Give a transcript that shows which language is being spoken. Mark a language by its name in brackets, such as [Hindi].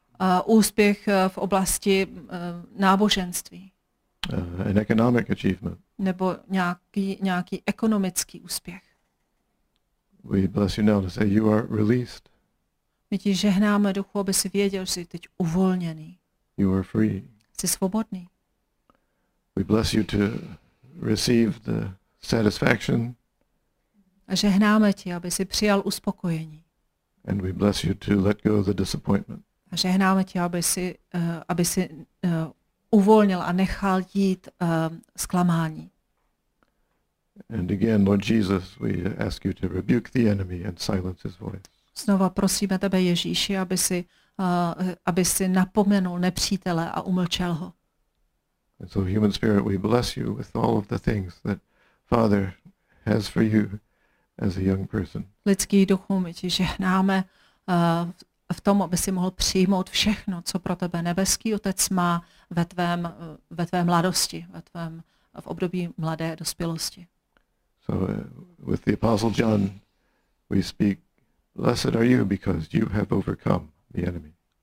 [Czech] A úspěch v oblasti náboženství. [English] An economic achievement. [Czech] Nebo nějaký ekonomický úspěch. [English] We bless you now to say you are released. [Czech] My ti žehnáme duchu, aby si věděl, že jsi teď uvolněný. [English] You are free. [Czech] Jsi svobodný. [English] We bless you to receive the satisfaction. [Czech] A žehnáme ti, aby si přijal uspokojení. [English] And we bless you to let go of the disappointment. [Czech] A žehnáme ti, aby si uvolnil a nechal jít zklamání. [English] And again, Lord Jesus, we ask you to rebuke the enemy and silence his voice. [Czech] Znova prosíme tebe, Ježíši, aby si napomenul nepřítele a umlčel ho. [English] And so, human spirit, we bless you with all of the things that Father has for you as a young person. [Czech] Lidský duchu, my ti žehnáme v tom, aby si mohl přijmout všechno, co pro tebe nebeský Otec má ve tvé mladosti, v období mladé dospělosti. [English] So with the Apostle John, we speak, blessed are you because you have overcome the enemy.